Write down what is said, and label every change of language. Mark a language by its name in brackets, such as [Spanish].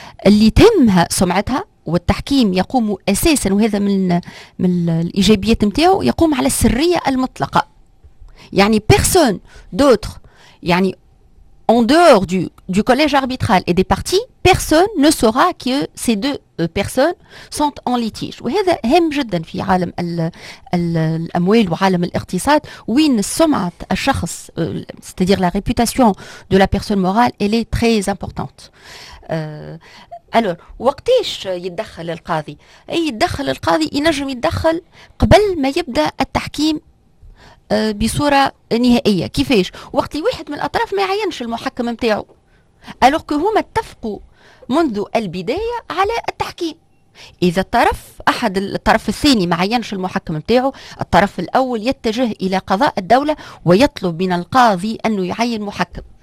[Arabic] اللي تهمها سمعتها والتحكيم يقوم أساسا وهذا من الإيجابيات نتاعو يقوم على السرية المطلقة يعني بيرسون دوتر يعني [French] En dehors du collège arbitral et des parties, personne ne saura que ces deux personnes sont en litige. Et c'est très important dans le monde de l'amouel et de l'économie, où une somme à chaque, c'est-à-dire la réputation de la personne morale, elle est très importante. [Arabic] Alors, وقتاش يدخل القاضي؟ أي يدخل القاضي ينجم يدخل قبل ما يبدأ التحكيم بصورة نهائية كيفاش وقت واحد من الأطراف ما يعينش المحكم متاعه [French] ألوغ كو [Arabic] هما اتفقوا منذ البداية على التحكيم إذا الطرف أحد الطرف الثاني ما عينش المحكم متاعه الطرف الأول يتجه إلى قضاء الدولة ويطلب من القاضي أنه يعين محكم